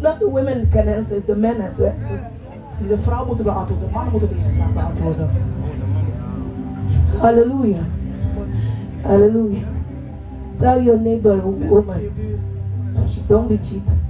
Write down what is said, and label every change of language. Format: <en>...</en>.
<en>not the women can answer, it's the men as well.</en> <nl>See, de vrouw moeten beantwoorden, de man moeten deze vraag beantwoorden.</nl> <en>Hallelujah. Hallelujah. Tell your neighbor, woman, don't be cheap.</en>